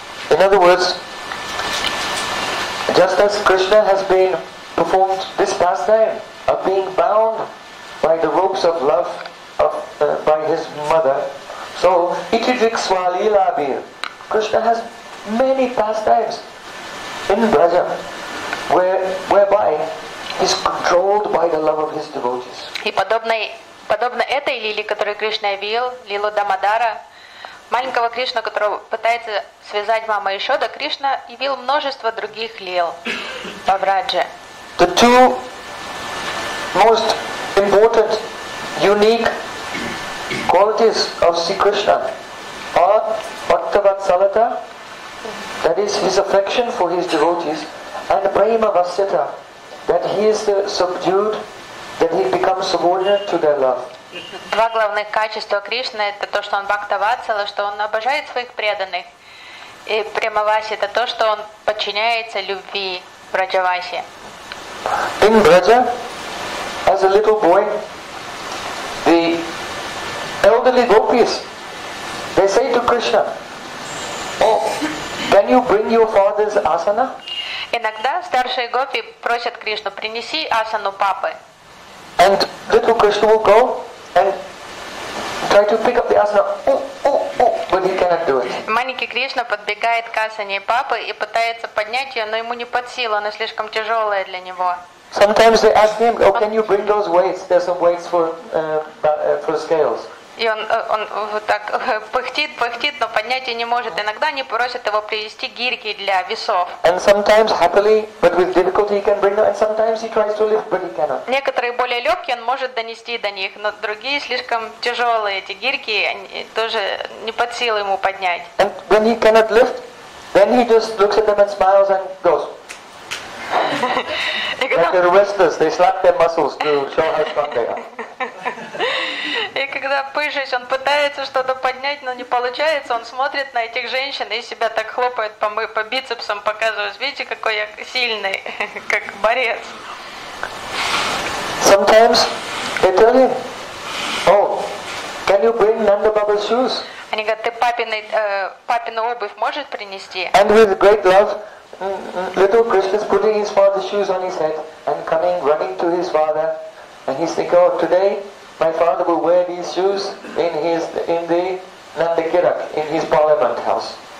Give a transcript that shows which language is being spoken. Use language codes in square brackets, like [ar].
[en] In other words, just as Krishna has been performed this pastime of being bound by the ropes of love of by his mother, so [sa] Итидрик свалилаби. [en] Krishna has many pastimes in Braja, whereby he's controlled by the love of his devotees. [ru] И подобно этой лиле, которую Кришна явил, лилу Дамодара, маленького Кришна, которого пытается связать мама Ишода, Кришна явил множество других лил во Врадже. [en] The two most important, unique qualities of Sri Krishna are bhakta-vatsalata, that is his affection for his devotees, and prema-vasyata, that he is subdued, that he becomes subordinate to their love. [ru] Два главных качества Кришны – это то, что он бхактавацала, что он обожает своих преданных. И прямаваси – это то, что он подчиняется любви Враджаваси. [en] In Braja, as a little boy, the elderly gopis, they say to Krishna, oh, can you bring your father's asana? [ru] Иногда старшие гопи просят Кришну, принеси асану папы. [en] And little Krishna will go and try to pick up the asana, oh, oh, oh, but he cannot do it. [ru] Маленький Кришна подбегает к асане папы и пытается поднять ее, но ему не под силу, она слишком тяжелая для него. [en] Sometimes they ask him, oh, can you bring those weights? There's some weights for scales. [ru] И он вот так пыхтит, но поднять ее не может. Иногда они просят его привезти гирьки для весов. [en] And sometimes happily, but with difficulty he can bring them, and sometimes he tries to lift, but he cannot. [ru] Некоторые более легкие он может донести до них, но другие слишком тяжелые эти гирьки, они тоже не под силу ему поднять. [en] And when he cannot lift, then he just looks at them and smiles and goes. Like they're wrestlers, they slap their muscles to show how strong they are. [ru] И когда пышешь, он пытается что-то поднять, но не получается. Он смотрит на этих женщин и себя так хлопает по бицепсам, показывает, видите, какой я сильный, как борец. [en] Sometimes they tell him, oh, can you bring Nanda Baba's shoes? [ru] Они говорят, ты папину обувь можешь принести? [en] And with great love, little Krishna is putting his father's shoes on his head and coming running to his father, and he's thinking, oh, today my father will wear these shoes in the Nandakirak, in his parliament house.